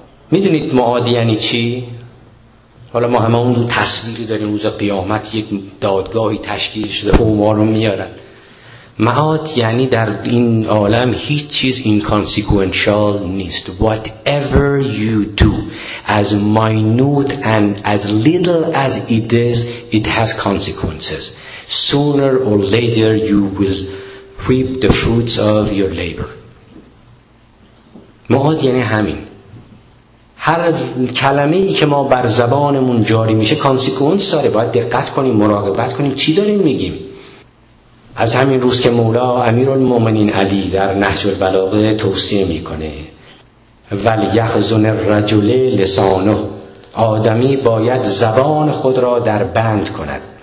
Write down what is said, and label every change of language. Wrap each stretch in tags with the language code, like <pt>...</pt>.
<fa>میدونید معادی یعنی چی؟ حالا ما همه اون تصویری داریم، روز قیامت یک دادگاهی تشکیل شده و ما رو میارن. معاد یعنی در این عالم هیچ چیز inconsequential نیست.</fa> <en>Whatever you do, as minute and as little as it is, it has consequences. Sooner or later you will reap the fruits of your labor.</en> <fa>معاد یعنی همین. هر کلمه‌ای که ما بر زبانمون جاری میشه consequence داره. باید دقت کنیم، مراقبت کنیم چی داریم میگیم. از همین روز که مولا امیرالمومنین علی در نهج البلاغه توصیه میکنه</fa> <ar>ولیخزن الرجل لسانه،</ar> <fa>آدمی باید زبان خود را در بند کند.</fa>